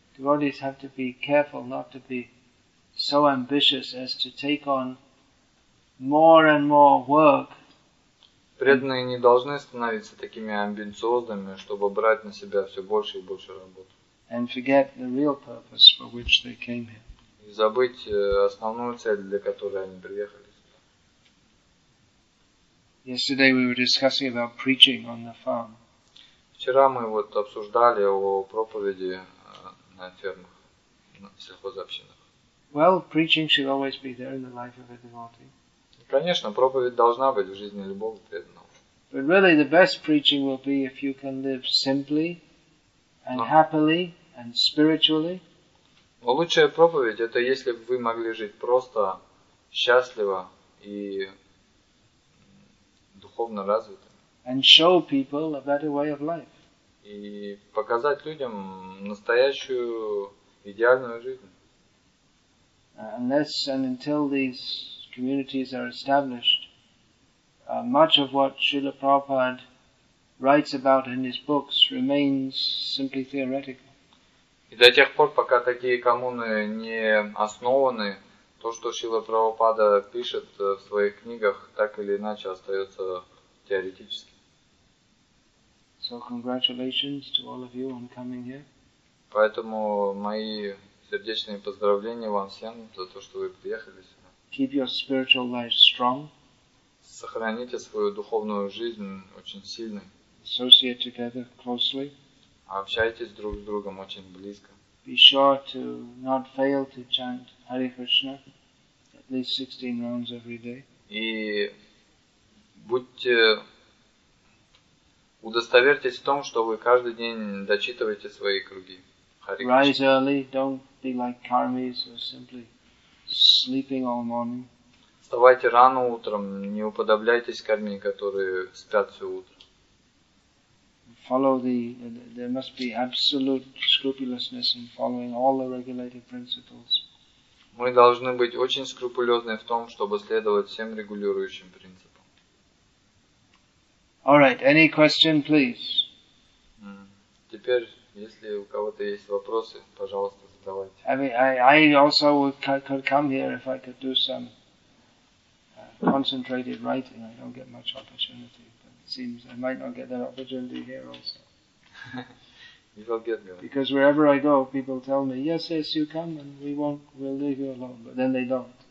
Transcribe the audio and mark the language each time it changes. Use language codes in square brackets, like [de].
[en] Devotees have to be careful not to be so ambitious as to take on more and more work. [ru] Преданные не должны становиться такими амбициозными, чтобы брать на себя все больше и больше работы. [en] And forget the real purpose for which they came here. [ru] И забыть основную цель, для которой они приехали сюда. [en] Yesterday we were discussing about preaching on the farm. [ru] Вчера мы вот обсуждали о проповеди на фермах, на сельхозобщинах. [en] Well, preaching should always be there in the life of a devotee. [ru] Конечно, проповедь должна быть в жизни любого преданного. [en] But really, the best preaching will be if you can live simply and happily and spiritually. [ru] Но лучшая проповедь это если бы вы могли жить просто, счастливо и духовно развитым. [en] And show people a better way of life. [ru] И показать людям настоящую идеальную жизнь. [en] Unless and until these communities are established, much of what Srila Prabhupada writes about in his books remains simply theoretical. [ru] И до тех пор, пока такие коммуны не основаны, то, что Шрила Прабхупада пишет в своих книгах, так или иначе остается теоретическим. [en] So congratulations to all of you on coming here. [ru] Поэтому мои сердечные поздравления вам всем за то, что вы приехали сюда. [en] Keep your spiritual life strong. [ru] Сохраните свою духовную жизнь очень сильной. [en] Associate together closely. [ru] Общайтесь друг с другом очень близко. [en] Be sure to not fail to chant Hare Krishna at least 16 rounds every day. [ru] И будьте, удостоверьтесь в том, что вы каждый день дочитываете свои круги. [en] Rise early, don't be like karmis or simply sleeping all morning. [ru] Вставайте рано утром, не уподобляйтесь карми, которые спят все утро. [en] Follow the, there must be absolute scrupulousness in following all the regulative principles. [ru] Мы должны быть очень скрупулезны в том, чтобы следовать всем регулирующим принципам. [en] All right, any question, please? [ru] Теперь, если у кого-то есть вопросы, пожалуйста, задавайте. [en] I also could come here if I could do some concentrated writing. I don't get much opportunity, but it seems I might not get that opportunity here also. Because wherever I go, people tell me, yes, you come and we'll leave you alone. But then they don't.